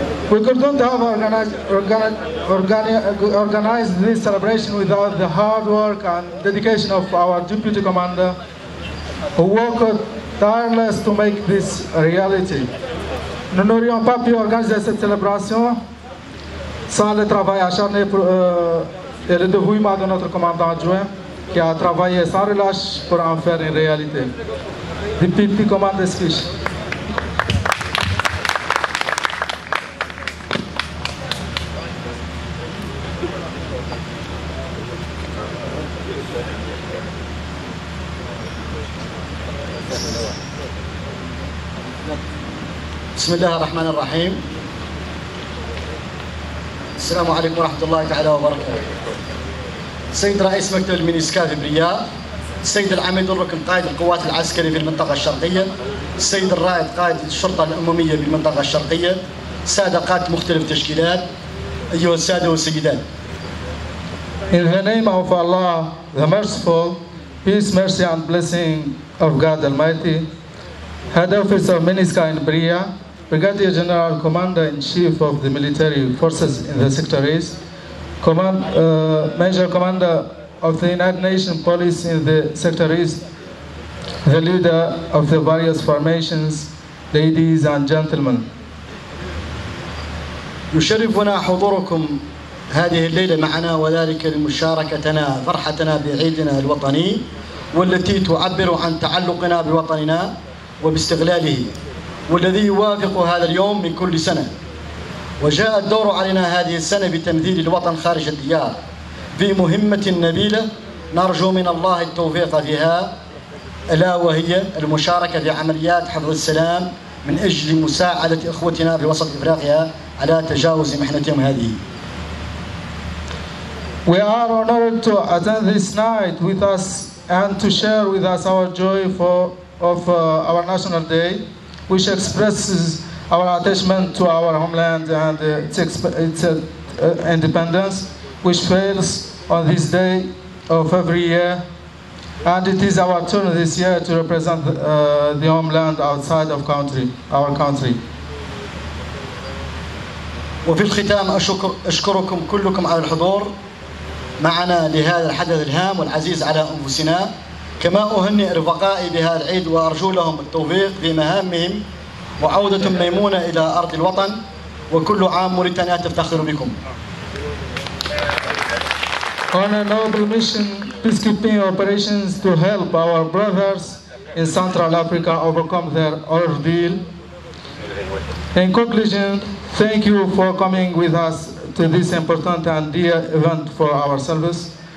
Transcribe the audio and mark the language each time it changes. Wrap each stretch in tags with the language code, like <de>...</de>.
<en>We couldn't have organized this celebration without the hard work and dedication of our deputy commander, who worked tireless to make this a reality.</en> <fr>Nous n'aurions pas pu organiser cette célébration sans le travail acharné et le dévouement de notre commandant adjoint, qui a travaillé sans relâche pour en faire une réalité.</fr> <en>Deputy commander speech.</en> <ar>بسم الله الرحمن الرحيم. السلام عليكم ورحمة الله تعالى وبركاته. سيد رئيس مكتب المينيسكاف برياض، السيد العميد الركن قائد القوات العسكرية في المنطقة الشرقية، السيد الرائد قائد الشرطة الأممية في المنطقة الشرقية، سادة قادة مختلف تشكيلات، أيها السادة والسيدات.</ar> <en>In the name of Allah, the merciful, peace, mercy and blessing of God Almighty, Head Office of MINISCA in Bria, Brigadier General Commander-in-Chief of the Military Forces in the Secretaries, Major Commander of the United Nations Police in the Secretaries, the leader of the various formations, ladies and gentlemen.</en> <ar>يشرفنا حضوركم هذه الليلة معنا وذلك لمشاركتنا فرحتنا بعيدنا الوطني والتي تعبر عن تعلقنا بوطننا وباستغلاله والذي يوافق هذا اليوم من كل سنة. وجاء الدور علينا هذه السنة بتمثيل الوطن خارج الديار في مهمة نبيلة نرجو من الله التوفيق فيها، ألا وهي المشاركة في عمليات حفظ السلام من أجل مساعدة إخوتنا في وسط إفريقيا على تجاوز محنتهم هذه.</ar> <en>We are honored to attend this night with us and to share with us our joy of our National Day, which expresses our attachment to our homeland and its independence, which fails on this day of every year. And it is our turn this year to represent the homeland outside of country, our country.</en> <ar>وفي الختام أشكركم كلكم على الحضور معنا لهذا الحدث الهام والعزيز على أنفسنا. كما أهنئ رفقائي بهذا العيد وأرجو لهم التوفيق في مهامهم وعودة ميمونة إلى أرض الوطن وكل عام موريتانيا تفتخر بكم.</ar> <en>On a noble mission, peacekeeping operations to help our brothers in Central Africa overcome their ordeal. In conclusion, thank you for coming with us to this important and dear event for our service.</en>